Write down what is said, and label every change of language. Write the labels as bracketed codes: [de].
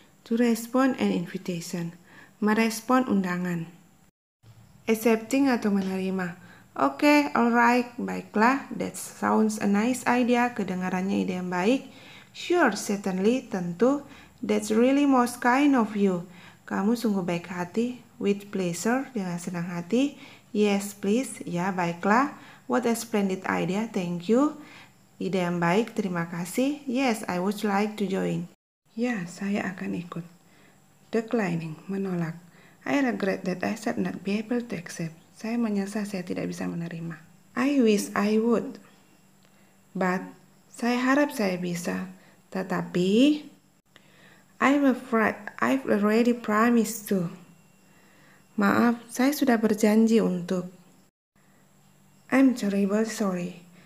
[en] To respond an invitation, merespon undangan. Accepting atau menerima. Okay, alright, baiklah, that sounds a nice idea, kedengarannya ide yang baik. Sure, certainly, tentu, that's really most kind of you. [id] Kamu sungguh baik hati, with pleasure, dengan senang hati. [en] Yes, please, ya, baiklah, what a splendid idea, thank you. Ide yang baik, terima kasih. Yes, I would like to join. [id] Ya, saya akan ikut. Declining, menolak. [en] I regret that I should not be able to accept. [id] Saya menyesal saya tidak bisa menerima. [en] I wish I would. But, saya harap saya bisa. Tetapi, I'm afraid I've already promised to. [id] Maaf, saya sudah berjanji untuk. I'm terribly sorry.